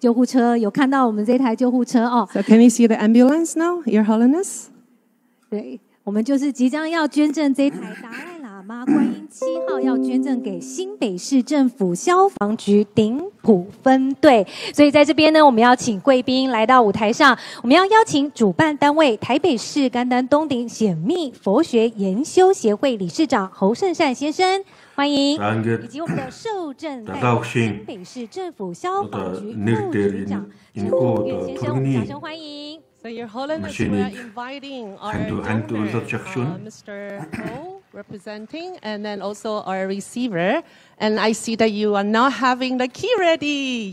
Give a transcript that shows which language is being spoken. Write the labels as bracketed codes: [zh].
[zh] 我們在今年台灣的民意購買了第七輛頂級型的救護車達賴喇嘛觀音七號,好,大家可以看一下我們等一下螢幕上也會秀給大家看我們這一台救護車,有看到我們這台救護車哦。So [en] can you see the ambulance now, Your Holiness? [zh] 对，我们就是即将要捐赠这台达赖喇嘛观音七号要捐赠给新北市政府消防局顶埔分队，所以在这边呢，我们要请贵宾来到舞台上，我们要邀请主办单位台北市甘丹东顶显密佛学研修协会理事长侯胜善先生，欢迎，以及我们的受赠台北市政府消防局局长叶先生，掌声欢迎。 [en] So Your Holiness, we are inviting Mr. O representing, and then also our receiver. And I see that you are not having the key ready.